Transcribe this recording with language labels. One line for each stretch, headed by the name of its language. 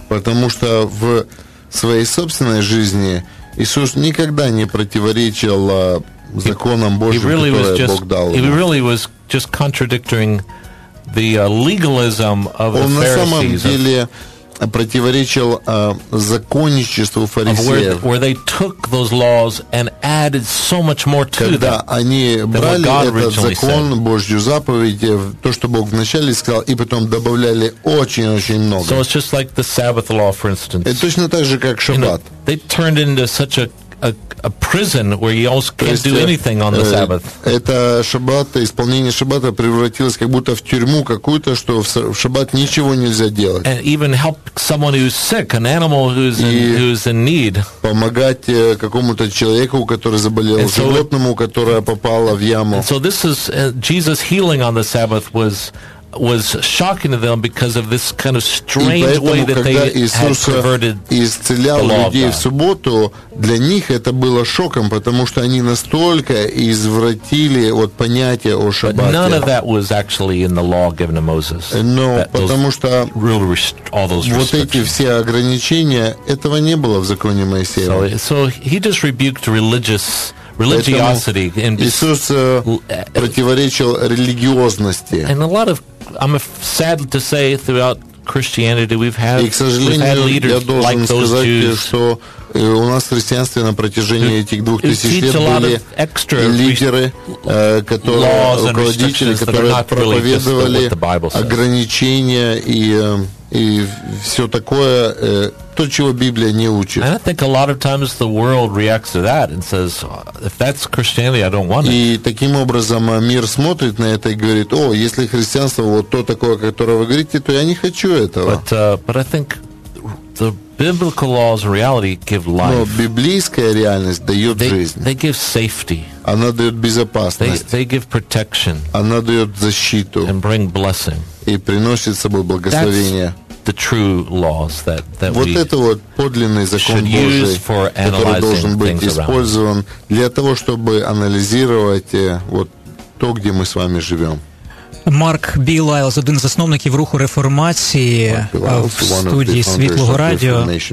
Russian: Потому что в своей собственной жизни Иисус никогда не противоречил законам Божьим,
English: He really was just contradicting the legalism of
Russian: Он
English: the Pharisees.
Russian: Он на самом деле противоречил законничеству фарисеев.
English: Where they took those laws and added so much more to
Russian: когда
English: them.
Russian: Когда они брали этот закон,
English: said.
Russian: Божью заповедь, то, что Бог вначале сказал, и потом добавляли очень-очень много.
English: So it's just like the Sabbath law, for instance.
Russian: Это точно так же, как Шаббат.
English: You know, they turned into such a prison where you almost can't do anything on the Sabbath.
Russian: Это шаббат, исполнение шаббата превратилось как будто в тюрьму какую-то, что в шаббат ничего нельзя делать.
English: And even help someone who's sick, an animal who's in need.
Russian: Помогать какому-то человеку, который заболел, животному, которое попало в яму.
English: So this is Jesus healing on the Sabbath was shocking to them because of this kind of strange
Russian: поэтому,
English: way that they had converted the law of God.
Russian: В субботу, для них это было шоком, потому что они настолько извратили вот понятие о шаббате.
English: But none of that was actually in the law given to Moses.
Russian: Но потому что вот эти все ограничения, этого не было в законе Моисея.
English: So he just rebuked religiosity.
Russian: Иисус противоречил религиозности.
English: And a lot of I'm sad to say throughout Christianity we've had leaders like those Jews.
Russian: Что у нас в христианстве на протяжении этих 2000 лет были лидеры, руководители, которые проповедовали ограничения и все такое, то, чего Библия не учит.
English: And I think a lot of times the world reacts to that and says, if that's Christianity, I don't want it.
Russian: И таким образом мир смотрит на это и говорит, о, если христианство вот то такое, которое вы говорите, то я не хочу этого.
English: But I think the biblical laws of reality give life.
Russian: Но библейская реальность дает жизнь.
English: They give safety.
Russian: Она дает безопасность.
English: They give protection.
Russian: Она дает защиту.
English: And bring blessing.
Russian: И приносит с собой благословение.
English: The true laws that
Russian: вот
English: we
Russian: это вот подлинный закон Божий, который должен быть использован для того, чтобы анализировать вот то, где мы с вами живем.
Ukrainian: Марк Бі Лайлз, один з основників руху реформації в студії Світлого Радіо.